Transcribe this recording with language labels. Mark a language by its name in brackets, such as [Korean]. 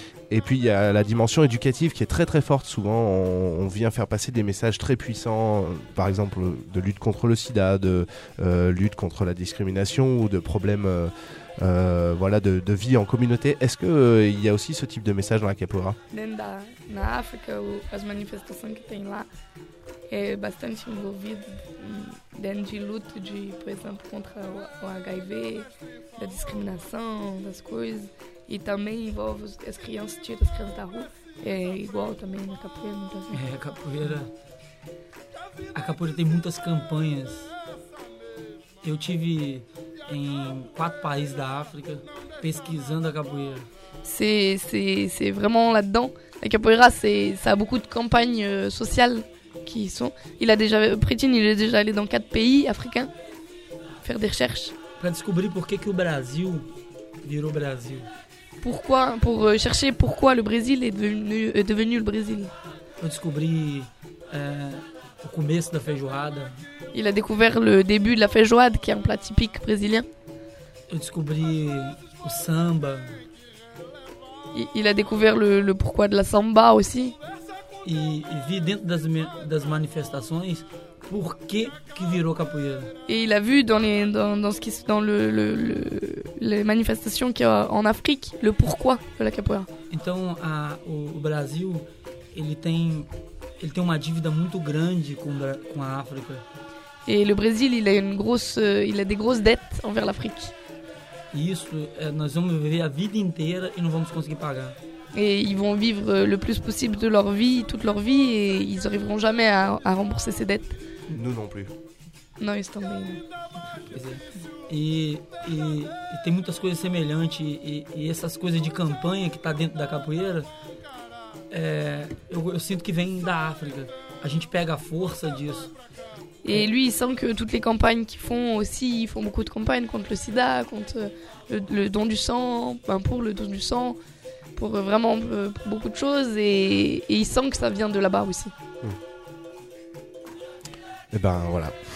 [French] Et puis il y a la dimension éducative qui est très très forte. Souvent, on vient faire passer des messages très puissants, par exemple de lutte contre le sida, de lutte contre la discrimination ou de problèmes. De vie en communauté. Est-ce que il y a aussi ce type de message dans la capoeira? [Portuguese] Dentro da África, as manifestações que tem lá é bastante envolvido dentro de luta de, por exemplo, contra o HIV, da discriminação, das coisas, e também envolve as crianças, tira as crianças da rua, é igual também na capoeira, muitas vezes. É, a capoeira tem muitas campanhas. Eu tive em quatro países da África pesquisando a capoeira. [French] C'est vraiment là-dedans. La capoeira, ça a beaucoup de campagnes sociales qui sont. Il est déjà allé dans quatre pays africains faire des recherches. [Portuguese] Para descobrir por que o Brasil virou Brasil. [French] Pourquoi, pour chercher pourquoi le Brésil est devenu le Brésil. [Portuguese] Para descobrir o começo da feijoada. [French] Il a découvert le début de la feijoada, qui est un plat typique brésilien. [Portuguese] Eu descobri o samba. [French] Il a découvert le pourquoi de la samba aussi. [Portuguese] E vi dentro das manifestações por que virou capoeira. [French] Et il a vu dans les manifestations qu'il y a en Afrique le pourquoi de la capoeira. [Portuguese] Então o Brasil ele tem uma dívida muito grande com a África. [French] Et le Brésil, il a des grosses dettes envers l'Afrique. [Portuguese] Isso, nós vamos viver a vida inteira e não vamos conseguir pagar. [French] Et ils vont vivre le plus possible de leur vie, toute leur vie, et ils n'arriveront jamais à rembourser ces dettes. Nous non plus. [Portuguese] Non, eles também. E tem muitas coisas semelhantes e essas coisas de campanha que tá dentro da capoeira, eu sinto que vem da África. A gente pega a força disso. [French] Et lui, il sent que toutes les campagnes qu'ils font aussi, ils font beaucoup de campagnes contre le sida, contre le don du sang, pour le don du sang. pour vraiment pour beaucoup de choses et il sent que ça vient de là-bas aussi. Et ben voilà.